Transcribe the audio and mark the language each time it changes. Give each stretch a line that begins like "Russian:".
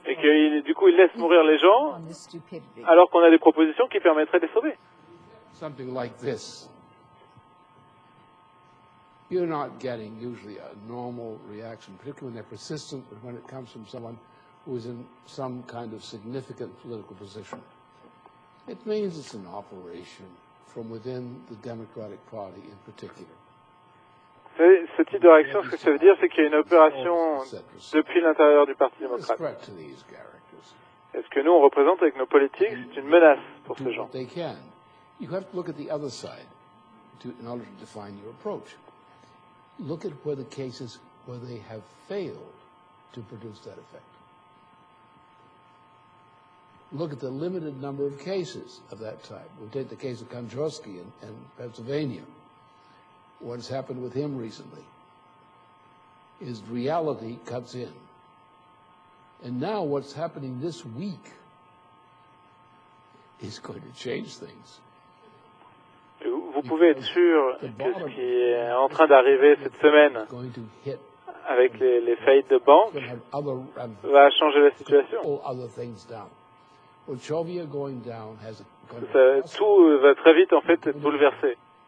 French: et que du coup, ils laissent mourir les gens alors qu'on a des propositions qui permettraient de les sauver.
English: Something like this. You're not getting usually a normal reaction, particularly when they're persistent, but when it comes from someone who is in some kind of significant political position. It means it's an operation from within the Democratic Party in particular.
French: Ce type de réaction, ce que ça veut dire, c'est qu'il y a une opération depuis l'intérieur du Parti démocrate. Et ce que nous, on représente avec nos politiques, c'est une menace pour ces gens.
English: They can. You have to look at the other side in order to define your approach. Look at where the cases where they have failed to produce that effect. Look at the limited number of cases of that type. We'll take the case of Kondrowski in Pennsylvania. What's happened with him recently is reality cuts in. And now what's happening this week is going to change things.
French: Vous pouvez être sûr que ce qui est en train d'arriver cette semaine avec les faillites de banques va changer la situation. Tout va très vite en fait être bouleversé.